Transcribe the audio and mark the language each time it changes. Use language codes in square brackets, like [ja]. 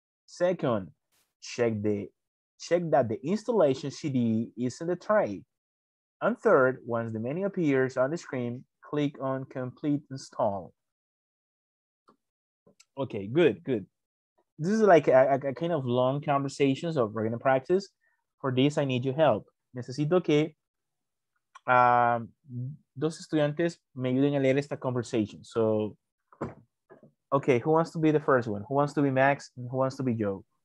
[en] Second, check that the installation CD is in the tray. And third, once the menu appears on the screen, click on complete install. Okay, good, good. This is like a kind of long conversation, so we're gonna practice. For this, I need your help. [es] Necesito que dos estudiantes me ayuden a leer esta conversation. [en] So, okay, who wants to be the first one? Who wants to be Max and who wants to be Joe?